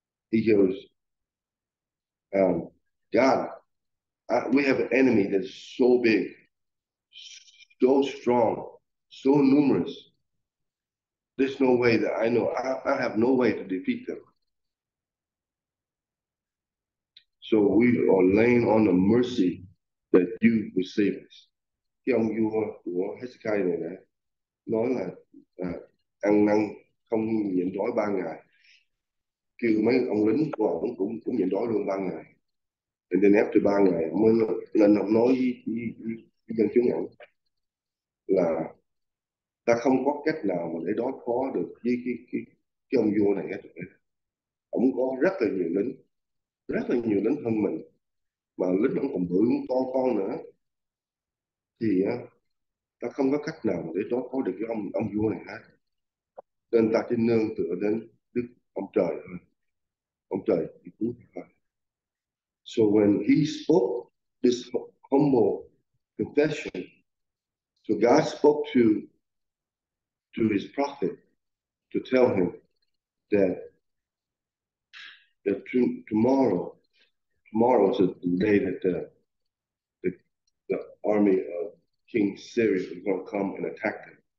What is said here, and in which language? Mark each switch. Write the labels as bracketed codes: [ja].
[en] He goes, God, we have an enemy that's so big, so strong, so numerous. There's no way that I know. I have no way to defeat them. So we are laying on the mercy that you would save us. Yeah, you are Hezekiah này này. [vi] Nói là ăn năn không nhịn đói ba ngày. Kêu mấy ông lính của ông cũng nhịn đói luôn ba ngày. [en] And then after [vi] ba ngày, nên ông nói với dân chúng ông là ta không có cách nào mà để đối phó được với cái ông vua này hết. Ông có rất là nhiều lính hơn mình, mà lính ông còn bự to con nữa, thì ta không có cách nào để đối phó được với ông vua này hết. Nên ta chỉ nương tựa đến Đức ông trời thôi. Ông trời thì cứu thôi. [en] So when he spoke this humble confession, so God spoke to his prophet to tell him that tomorrow is the day that the army of King Syria is going to come and attack them.